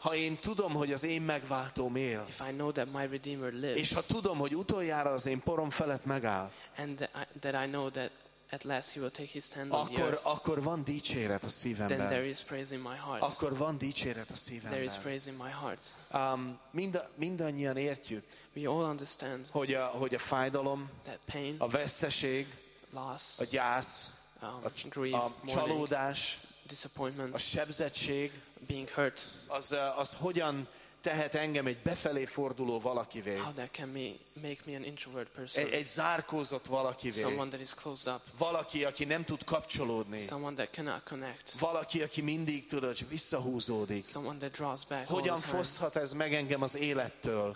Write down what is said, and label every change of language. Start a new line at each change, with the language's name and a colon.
Hungarian: ha én tudom, hogy az én megváltóm él,
English: if I know that my Redeemer lives,
Hungarian: és ha tudom, hogy utoljára az én porom felett megáll,
English: and that I know that at last he will take his stand on the
Hungarian: akkor,
English: earth,
Hungarian: akkor van dicséret a szívemben.
English: Then there is praise in my heart.
Hungarian: Akkor van dicséret a szívemben.
English: There is praise in my heart.
Hungarian: Mindannyian értjük,
English: we all understand,
Hungarian: hogy a fájdalom,
English: that pain,
Hungarian: a veszteség,
English: loss,
Hungarian: a gyász,
English: grief,
Hungarian: a csalódás,
English: mourning, disappointment,
Hungarian: a sebzettség,
English: being hurt,
Hungarian: az hogyan tehet engem egy befelé forduló valakivé.
English: How that can make me an introvert person.
Hungarian: Egy zárkózott valakivé.
English: Someone that is closed up.
Hungarian: Valaki, aki nem tud kapcsolódni.
English: Someone that cannot connect.
Hungarian: Valaki, aki mindig tudod, visszahúzódik.
English: Someone that draws back.
Hungarian: Hogyan foszthat ez meg engem az élettől?